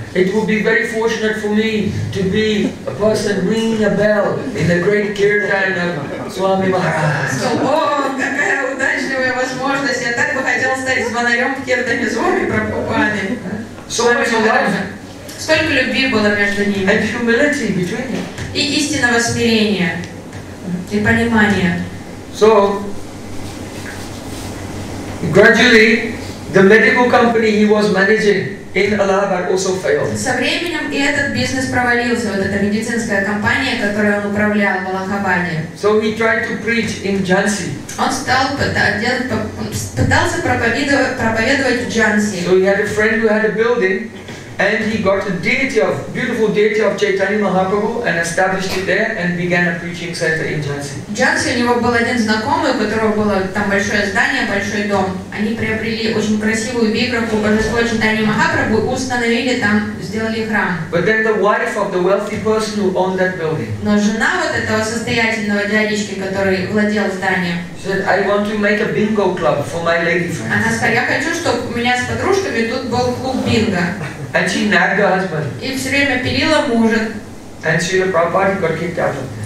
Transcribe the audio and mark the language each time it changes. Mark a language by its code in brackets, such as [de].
[en] It would be very fortunate for me to be a person ringing a bell in the great kirtan of Swami Maharaj. [ru] Oh, какая удачливая возможность! Я так бы хотел стать звонарем в киртане Свами Прабхупады. [en] So much love. [ru] Сколько любви было между ними. [en] And humility between them. [ru] И истинного смирения и понимания. [en] So gradually, the medical company he was managing. In Allahabad also failed. [ru] Со временем и этот бизнес провалился, вот эта медицинская компания, которую он управлял в Аллахабаде. [en] So he tried to preach in Jhansi. [ru] Он стал пытался проповедовать в Jhansi. [en] So he had a friend who had a building, and he got a deity of beautiful deity of Chaitanya Mahaprabhu and established it there and began a preaching center in Jhansi. [ru] Jhansi у него был один знакомый, у которого было там большое здание, большой дом. Они приобрели очень красивую виграху божества Чайтанья Махапрабху, установили там, сделали храм. [en] But then the wife of the wealthy person who owned that building. [ru] Но жена вот этого состоятельного дядечки, который владел зданием. [en] Said, I want to make a bingo club for my lady friends. [ru] Она сказала, я хочу, чтобы у меня с подружками тут был клуб бинго. [en] And she nagged her husband. [ru] И все время пилила мужа. [en] And Srila Prabhupada got kicked out of.